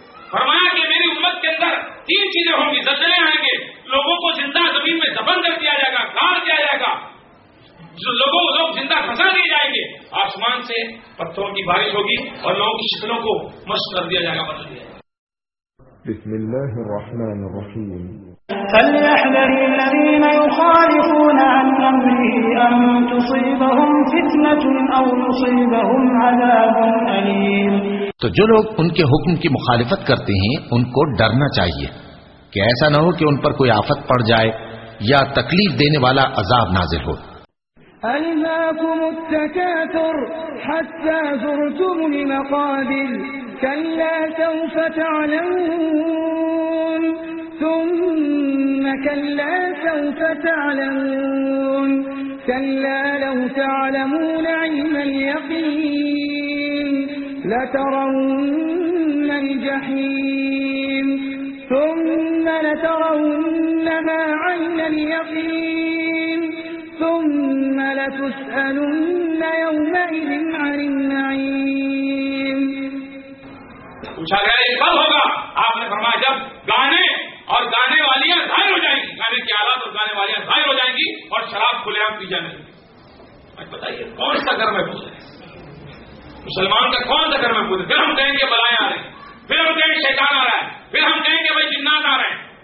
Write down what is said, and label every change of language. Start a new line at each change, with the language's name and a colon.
Urdu: فرمایا کہ میری امت کے اندر تین چیزیں ہوں گی, زلزلے آئیں گے, لوگوں کو زندہ زمین میں دفن کر دیا جائے گا, گاڑ دیا جائے گا, لوگ زندہ پھنسا دیے جائیں گے, آسمان سے پتھروں کی بارش ہوگی اور لوگوں کی شکلوں کو مست کر دیا جائے گا, بدل دیا جائے گا.
Arabic: بسم اللہ الرحمن الرحیم. فليحذر الذين يخالفون عن أمره أن تصيبهم فتنة أو يصيبهم عذاب أليم.
Urdu: تو جو لوگ ان کے حکم کی مخالفت کرتے ہیں ان کو ڈرنا چاہیے کہ ایسا نہ ہو کہ ان پر کوئی آفت پڑ جائے یا تکلیف دینے والا عذاب نازل ہو.
Arabic: ألهاكم التكاثر حتى زرتم المقابر كلا سوف تعلمون ثم كلا سوف تعلمون كلا لو تعلمون علم اليقين لترون الجحيم ثم لترونها عين اليقين ثم لتسألن يومئذ عن النعيم.
Urdu: پوچھا گیا ایک پل ہوگا, آپ نے فرمایا جب گانے اور گانے والیاں ظاہر ہو جائیں گی, گانے کی آلات اور گانے والیاں ظاہر ہو جائیں گی اور شراب کھلے آپ پی جانے. آج بتائیے کون سا گھر محفوظ ہے؟ مسلمان کا کون سا گھر محفوظ ہے؟ پھر ہم کہیں گے بلائیں آ رہے ہیں, پھر ہم کہیں گے شیطان آ رہا ہے, پھر ہم کہیں گے بھائی جنات آ رہے ہیں.